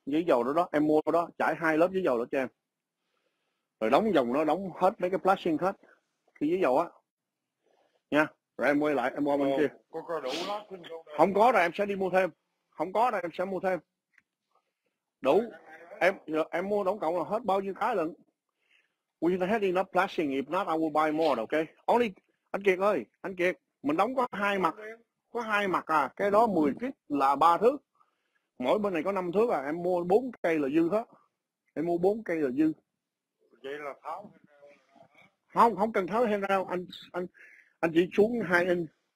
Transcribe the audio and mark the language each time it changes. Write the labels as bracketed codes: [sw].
[vi] Giấy dầu đó đó, em mua đó, trải hai lớp giấy dầu đó cho em. Rồi đóng vòng nó, đóng hết mấy cái plastic hết. Khi giấy dầu á. Nha, rồi em quay lại, em qua bên kia. Có đủ lát xin không? Không có rồi, em sẽ đi mua thêm. Không có rồi, em sẽ mua thêm. Đủ. Em mua tổng cộng là hết bao nhiêu cái lận? [en] We don't have enough plastic, if not I will buy more, okay? [vi] Only, anh Kiệt ơi, anh Kiệt, mình đóng có hai mặt. Có hai mặt à, cái đó 10 feet là 3 thước. Mỗi bên này có 5 thước à, em mua 4 cây là dư hết. Em mua 4 cây là dư. Vậy là tháo không, không cần tháo handrail, anh chỉ xuống 2 inch.